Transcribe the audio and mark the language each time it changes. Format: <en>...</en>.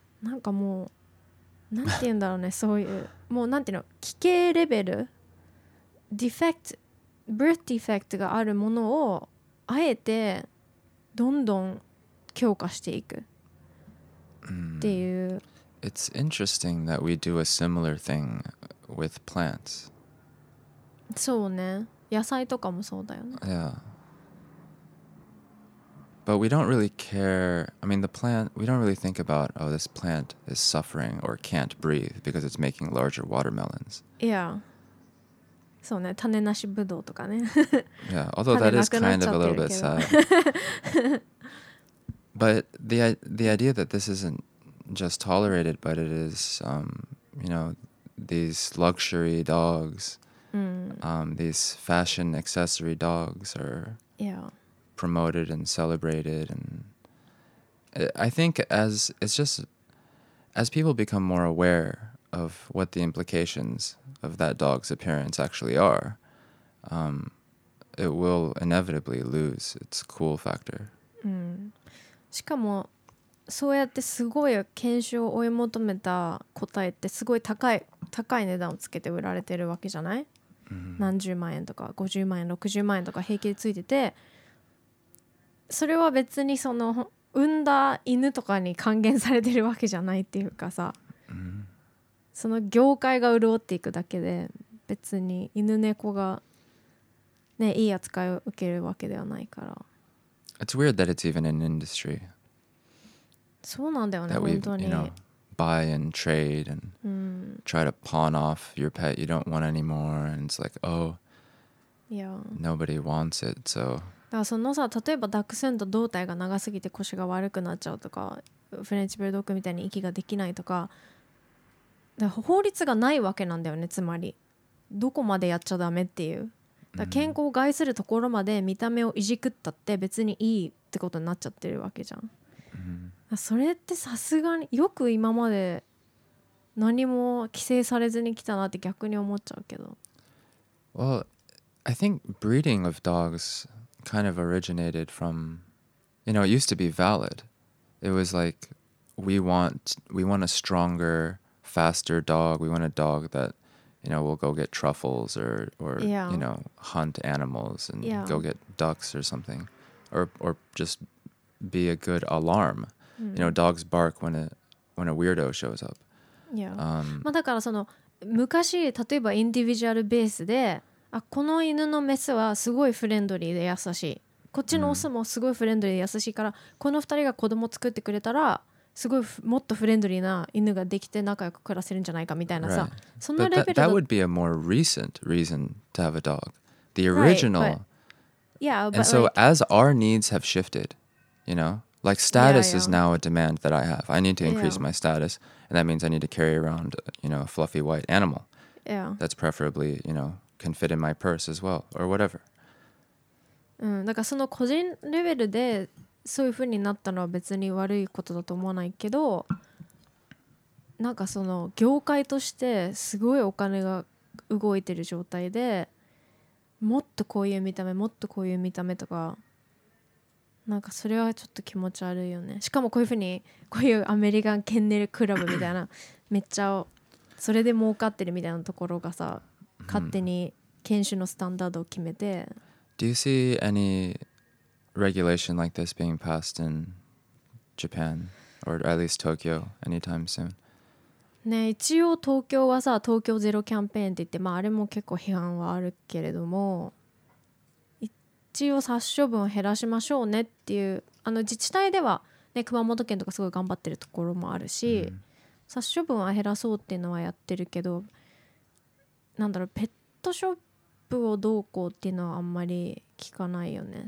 <ja>なんかもうなんて言うんだろうねそういうもうなんていうの、奇形レベルディフェクト、birth defect があるものをあえてどんどん強化していくっていう、</ja> <en>It's interesting that we do a similar thing with plants.</en> <ja>そうね、野菜とかもそうだよね。</ja> <en>Yeah. But we don't really care. I mean, the plant, we don't really think about, oh, this plant is suffering or can't breathe because it's making larger watermelons. Yeah.</en> <ja>そうね、種なしブドウとかね。</ja> <en>Yeah, although that is kind of a little bit sad. But the idea that this isn't just tolerated, but it is, you know, these luxury dogs,、うん、 these fashion accessory dogs are、 yeah. promoted and celebrated, and I think as it's just as people become more aware. Of what the implications of that dog's appearance actually are, it will inevitably lose its cool factor.</en> <ja>しかもそうやってすごい犬種を追い求めた個体ってすごい高い値段をつけて売られてるわけじゃない？ Mm-hmm. 何十万円とか50万円60万円とか平気でついてて、それは別にその産んだ犬とかに還元されてるわけじゃないっていうかさ。その業界が潤っていくだけで、別に犬猫がね、いい扱いを受けるわけではないから。</ja> <en>It's weird that it's even an industry.</en> <ja>そうなんだよね、本当に。</ja> <en>You know, buy and trade and、うん、 try to pawn off your pet you don't want anymore. And it's like, oh, yeah. Nobody wants it, so.</en> <ja>だからそのさ、例えばダックスンと胴体が長すぎて腰が悪くなっちゃうとか、フレンチブルドッグみたいに息ができないとか、だ法律がないわけなんだよね。つまりどこまでやっちゃダメっていう、だ健康を害するところまで見た目をいじくったって別にいいってことになっちゃってるわけじゃん、うん、だそれってさすがによく今まで何も規制されずに来たなって逆に思っちゃうけど、</ja> <en>Well, I think breeding of dogs kind of originated from, you know, it used to be valid. It was like we want a strongerfaster dog, we want a dog that, you know, will go get truffles or、 yeah. you know, hunt animals and、 yeah. go get ducks or something, or just be a good alarm、 mm. you know, dogs bark when a weirdo shows up、</en> <ja>yeah. まあだからその昔例えばインディビジュアルベースで、あこの犬のメスはすごいフレンドリーで優しい、こっちのオスもすごいフレンドリーで優しいから、うん、この二人が子供作ってくれたらすごいもっとフレンドリーな犬ができて仲良く暮らせるんじゃないかみたいなさ、</ja> <en>right.</en> <ja>そのレベルだ。</ja> <en>But that would be a more recent reason to have a dog. The original. Right, but, yeah, but and so like, as our needs have shifted, you know, like status yeah, yeah. is now a demand that I have. I need to increase yeah. my status, and that means I need to carry around, you know, a fluffy white animal. Yeah. That's preferably, you know, can fit in my purse as well or whatever.</en> <ja>うん、だからその個人レベルでそういう風になったのは別に悪いことだと思わないけど、なんかその業界としてすごいお金が動いてる状態で、もっとこういう見た目、もっとこういう見た目とか、なんかそれはちょっと気持ち悪いよね。しかもこういう風にこういうアメリカンケンネルクラブみたいなめっちゃそれで儲かってるみたいなところがさ、勝手に犬種のスタンダードを決めて。</ja> <en>Do you see any regulation like this being passed in Japan or at least Tokyo anytime soon?</en> <ja>ね、一応東京はさ、東京ゼロキャンペーンって言って、まああれも結構批判はあるけれども、一応殺処分を減らしましょうねっていう、あの自治体ではね、熊本県とかすごい頑張ってるところもあるし、mm-hmm. 殺処分は減らそうっていうのはやってるけど、なんだろう、ペットショップをどうこうっていうのはあんまり聞かないよね。</ja>